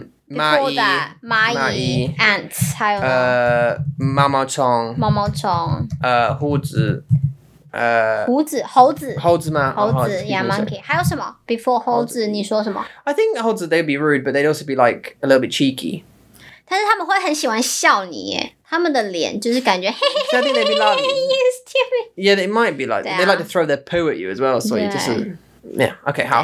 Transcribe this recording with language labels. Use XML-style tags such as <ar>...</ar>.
<zh>蚂蚁 ants 还有毛毛虫猴子 monkey 还有什么</zh> <en>before</en> <zh>猴子你说什么</zh> <en>I think 猴子 they'd be rude but they'd also be like a little bit cheeky</en> <zh>但是他们会很喜欢笑你耶 他们的脸就是感觉</zh> <en>so I think they'd be like you stupid yeah they might be like they like to throw their poo at you as well so you just yeah okay</en> <zh>好</zh>